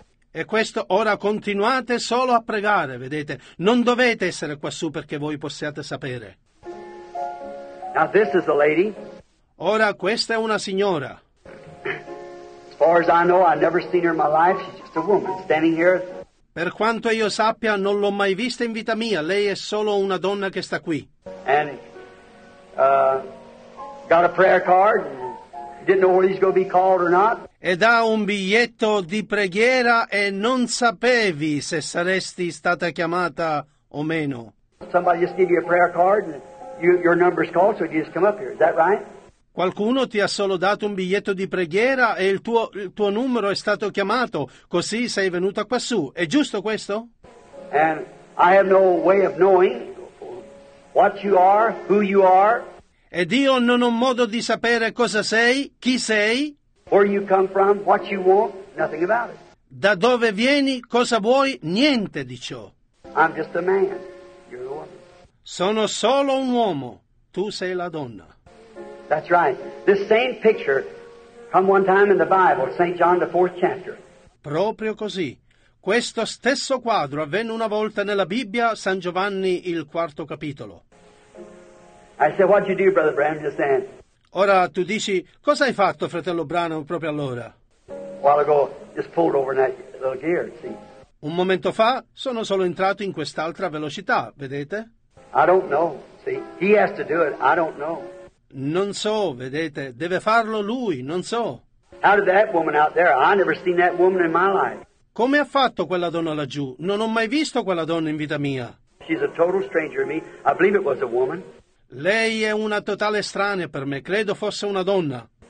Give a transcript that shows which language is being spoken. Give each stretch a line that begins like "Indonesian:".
Italian: E questo ora continuate solo a pregare, vedete, non dovete essere quassù perché voi possiate sapere.
English: Now this is a lady.
Italian: Ora questa è una signora.
English: As far as I know, I've never seen her in my life. She's just a woman standing here.
Italian: Per quanto io sappia, non l'ho mai vista in vita mia. Lei è solo una donna che sta qui.
English: And got a prayer card. Didn't know whether he's going to be called or not.
Italian: Ed ha un biglietto di preghiera e non sapevi se saresti stata chiamata o meno.
English: Somebody just gave you a prayer card. And your number's called, so you just come up here. Is that right?
Italian: Qualcuno ti ha solo dato un biglietto di preghiera e il tuo numero è stato chiamato, così sei venuta quassù. È giusto questo?
English: And I have no way of knowing what you are, who you are.
Italian: Ed io non ho modo di sapere cosa sei, chi sei.
English: Where you come from, what you want, nothing about it.
Italian: Da dove vieni, cosa vuoi, niente di ciò.
English: I'm just a man. You're the woman.
Italian: Sono solo un uomo, tu sei la donna.
English: That's right. This same picture come one time in the Bible, St. John the 4th chapter.
Italian: Proprio così. Questo stesso quadro avvenne una volta nella Bibbia, San Giovanni il 4 capitolo.
English: I said, what'd you do, Brother Branham, just then?
Italian: Ora tu dici, cosa hai fatto, fratello Branham, proprio allora?
English: A while ago, just pulled over in that little gear, see?
Italian: Un momento fa, sono solo entrato in quest'altra velocità, vedete?
English: I don't know, see? He has to do it, I don't know.
Italian: Non so, vedete, deve farlo lui, non so.
English: How did that woman out there, I never seen that woman in my life.
Italian: Come ha fatto quella donna laggiù? Non ho mai visto quella donna in vita mia.
English: She's a total stranger to me, I believe it was a woman.
Italian: Lei è una totale estranea per me, credo fosse una donna.